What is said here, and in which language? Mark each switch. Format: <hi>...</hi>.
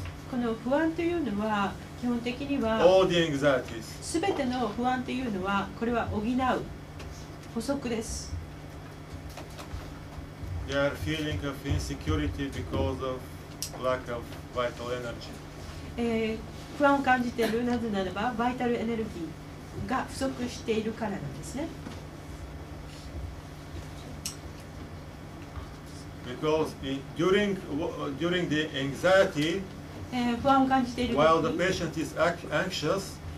<ja>この不安というのは基本的には、</ja> <en>All the anxieties.</en> <ja>すべての不安というのはこれは補う補足です。</ja> <en>They are feeling of insecurity because of lack of vital energy.</en> <ja>不安を感じているなぜならば、バイタルエネルギーが不足しているからなんですね。</ja> <en>Because during the anxiety,</en> <ja>不安を感じている時、</ja> <en>while the patient is anxious,</en>